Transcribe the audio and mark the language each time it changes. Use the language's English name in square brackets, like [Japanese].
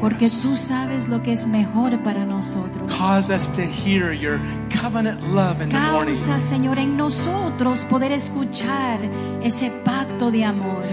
[Spanish] Porque tú sabes lo que es mejor para nosotros. [English] Cause us to hear your covenant love in the morning. [Spanish] Causa, Señor, en nosotros poder escuchar ese pacto de amor.